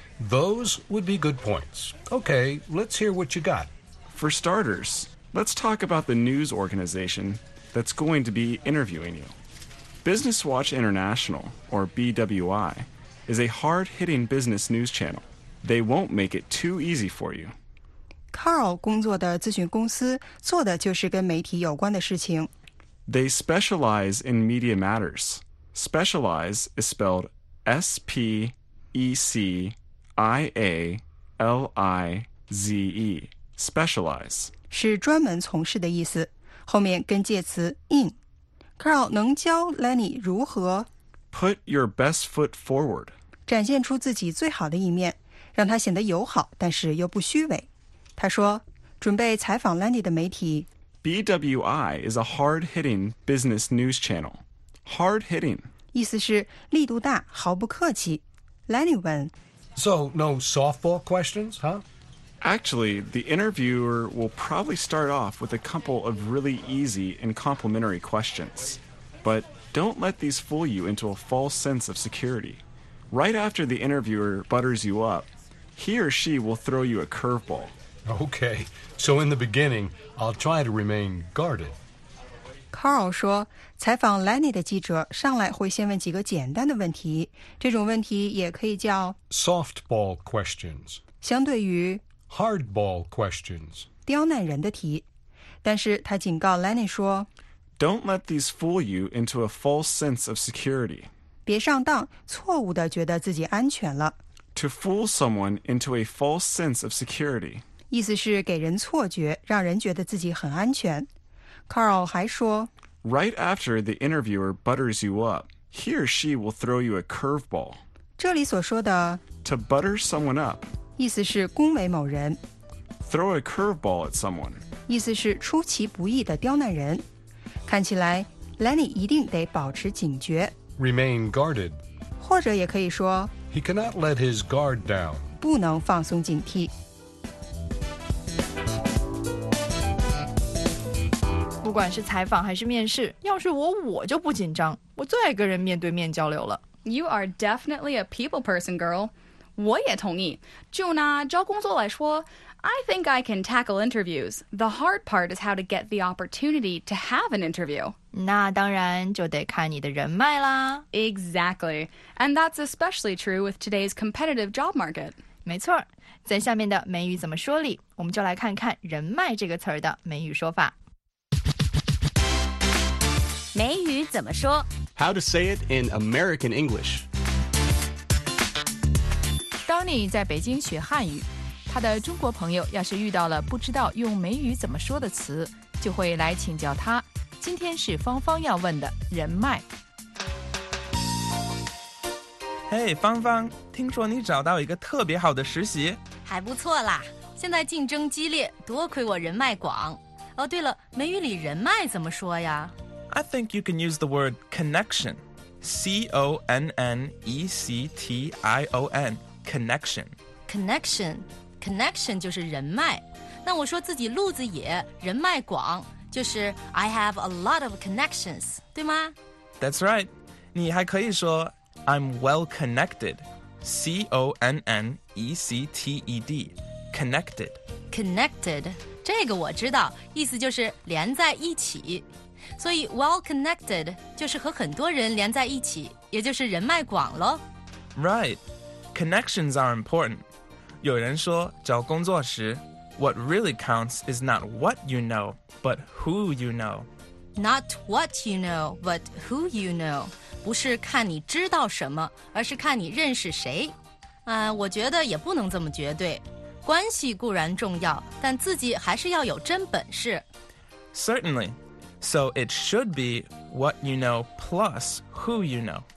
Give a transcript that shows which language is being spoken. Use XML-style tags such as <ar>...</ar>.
<en>Those would be good points. Okay, let's hear what you got. For starters, let's talk about the news organization that's going to be interviewing you. Business Watch International, or BWI, is a hard-hitting business news channel. They won't make it too easy for you.</en> <zh>Carl 工作的咨询公司做的就是跟媒体有关的事情。</zh> <en>They specialize in media matters. Specialize is spelled S-P-E-C-I-A-L-I-Z-E. Specialize.</en> <zh>是专门从事的意思，后面跟介词 in。 Carl 能教 Lenny 如何</zh> <en>Put your best foot forward.</en> <zh>展现出自己最好的一面，让他显得友好，但是又不虚伪。他说，准备采访 Lenny 的媒体。</zh> <en>BWI is a hard-hitting business news channel. Hard-hitting.</en> <zh>意思是力度大，毫不客气。 Lenny 问。</zh> <en>So, no softball questions, huh? Actually, the interviewer will probably start off with a couple of really easy and complimentary questions. But don't let these fool you into a false sense of security. Right after the interviewer butters you up, he or she will throw you a curveball. Okay, so in the beginning, I'll try to remain guarded.</en> <zh>Carl 说，采访 Lenny 的记者上来会先问几个简单的问题，这种问题也可以叫</zh> <en>softball questions，</en> <zh>相对于</zh> <en>hardball questions，</en> <zh>刁难人的题。但是他警告 Lenny 说</zh> <en>，Don't let these fool you into a false sense of security.</en> <zh>别上当，错误地觉得自己安全了。</zh> <en>To fool someone into a false sense of security.</en> <zh>意思是给人错觉，让人觉得自己很安全。 Carl 还说</zh> <en>，Right after the interviewer butters you up, he or she will throw you a curveball.</en> <zh>这里所说的</zh> <en>to butter someone up，</en> <zh>意思是恭维某人。</zh> <en>Throw a curveball at someone，</en> <zh>意思是出其不意的刁难人。看起来 ，Lenny 一定得保持警觉。</zh> <en>Remain guarded，</en> <zh>或者也可以说。</zh> <en>He cannot let his guard down.</en> <zh>不能放松警惕。不管是采访还是面试，要是我就不紧张，我最爱跟人面对面交流了。</zh> <en>You are definitely a people person, girl.</en> <zh>我也同意。就拿招工作来说</zh> <en>，I think I can tackle interviews. The hard part is how to get the opportunity to have an interview.</en> <zh>那当然就得看你的人脉啦。</zh> <en>Exactly. And that's especially true with today's competitive job market.</en> <zh>没错。在下面的美语怎么说里，我们就来看看人脉这个词儿的美语说法。美语怎么说？</zh> <en>How to say it in American English.</en> <zh>Donny 在北京学汉语，他的中国朋友要是遇到了不知道用美语怎么说的词，就会来请教他。今天是芳芳要问的人脉。 Hey, 芳芳，听说你找到一个特别好的实习。还不错啦，现在竞争激烈，多亏我人脉广。哦，对了，美语里人脉怎么说呀？</zh> <en>I think you can use the word connection. C-O-N-N-E-C-T-I-O-N. Connection. Connection. Connection</en> <zh>就是人脉。那我说自己路子野，人脉广。就是</zh> <en>I have a lot of connections,</en> <zh>对吗？</zh> <en>That's right.</en> <zh>你还可以说</zh> <en>I'm well connected. C-O-N-N-E-C-T-E-D. Connected. Connected.</en> <zh>这个我知道，意思就是连在一起。所以 well connected 就是和很多人连在一起，也就是人脉广咯。</zh> <en>Right. Connections are important.</en> <zh>有人说找工作时</zh> <en>What really counts is not what you know, but who you know. Not what you know, but who you know.</en> <zh>不是看你知道什么，而是看你认识谁。我觉得也不能这么绝对。关系固然重要，但自己还是要有真本事。</zh> <en>Certainly. So it should be what you know plus who you know.</en>